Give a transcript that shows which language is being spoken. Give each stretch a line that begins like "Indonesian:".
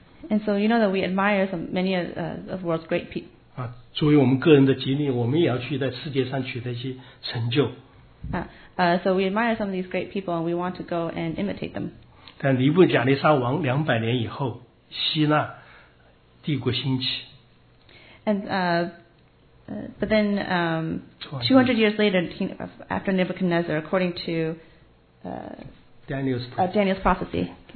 English: And so you know that we admire many of the world's great people.
Chinese: 作为我们个人的激励，我们也要去在世界上取得一些成就。
English: So we admire some of these great people and we want to go and imitate them.
Chinese: 但尼布甲利撒王200年以后，希腊帝国兴起。
English: And but then 200 years later, after Nebuchadnezzar, according to Daniel's prophecy.